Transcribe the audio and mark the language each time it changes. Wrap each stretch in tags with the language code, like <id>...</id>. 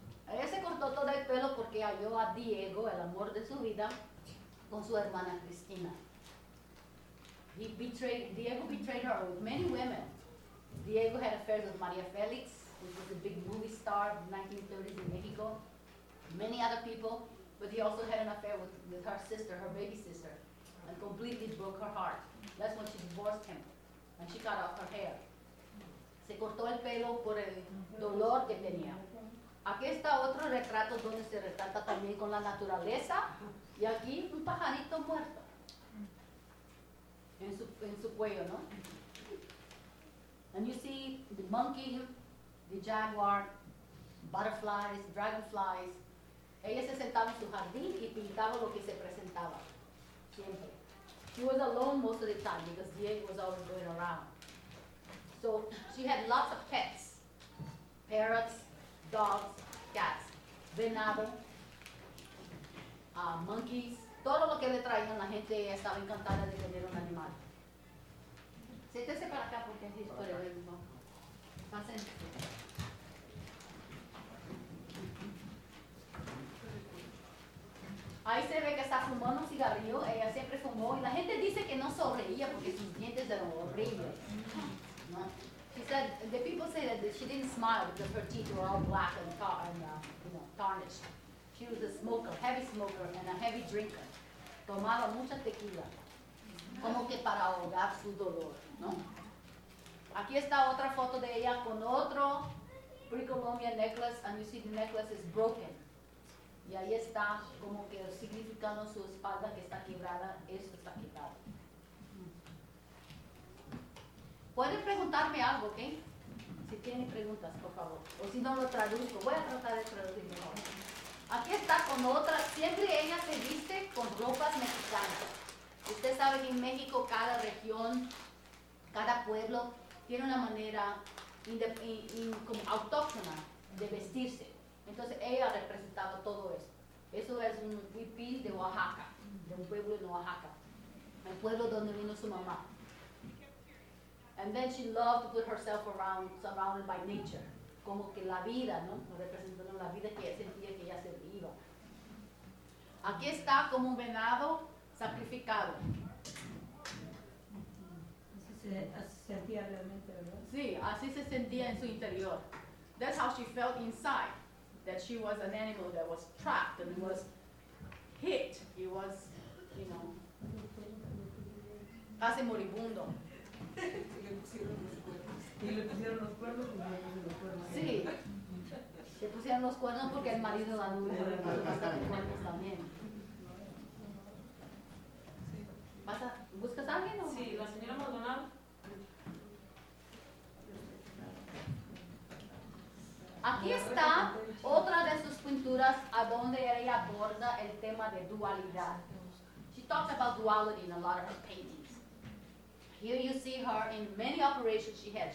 <es>Ella se cortó todo el pelo porque halló a Diego, el amor de su vida, con su hermana Cristina.</es> <en>Diego betrayed her with many women. Diego had affairs with Maria Felix, which was a big movie star in the 1930s in Mexico. Many other people, but he also had an affair with her sister, her baby sister, and completely broke her heart. That's when she divorced him, and she cut off her hair.</en> <es>Se cortó el pelo por el dolor que tenía. Aquí está otro retrato donde se retrata también con la naturaleza. Y aquí un pajarito muerto en su cuello, ¿no?</es> <en>And you see the monkey, the jaguar, butterflies, dragonflies.</en> <es>Ella se sentaba en su jardín y pintaba lo que se presentaba. Siempre.</es> <en>She was alone most of the time because Diego was always going around. So she had lots of pets, parrots, dogs, cats,</en> <es>venado, monkeys, todo lo que le traían la gente estaba encantada de tener un animal. Siéntese para acá porque es historia de mi mamá. Pásense. Ahí se ve que está fumando un cigarrillo, ella siempre fumó y la gente dice que no sonreía porque sus dientes eran horribles.</es> <en>She said, the people say that she didn't smile because her teeth were all black and tarnished. She was a smoker, heavy smoker, and a heavy drinker.</en> <es>Tomaba mucha tequila, como que para ahogar su dolor, ¿no? Aquí está otra foto de ella con otro</es> <en>pre-Columbian necklace, and you see the necklace is broken.</en> <es>Y ahí está como que significando su espalda que está quebrada, eso está quebrado. Pueden preguntarme algo, ¿ok? Si tienen preguntas, por favor. O si no lo traduzco, voy a tratar de traducir mejor. Aquí está con otra. Siempre ella se viste con ropas mexicanas. Usted sabe que en México cada región, cada pueblo tiene una manera como autóctona de vestirse. Entonces ella representaba todo eso. Eso es un huipil de Oaxaca, de un pueblo en Oaxaca, el pueblo donde vino su mamá.</es> <en>And then she loved to put herself surrounded by nature.</en> <es>Como que la vida, ¿no? Representando la vida que ella sentía que ella se iba. Aquí está como un venado sacrificado. Así se sentía realmente, ¿verdad? Sí, así se sentía en su interior.</es> <en>That's how she felt inside. That she was an animal that was trapped and was hit. He was, you know,</en> <es>casi moribundo. Y le pusieron los cuernos porque el marido la anduvo. Sí, le pusieron los cuernos porque el marido la anduvo. Sí. También. ¿Buscas a alguien o sí, la señora Maldonado. Aquí está otra de sus pinturas a donde ella aborda el tema de dualidad.</es> <en>She talks about duality in a lot of her paintings. Here you see her in many operations she had.</en>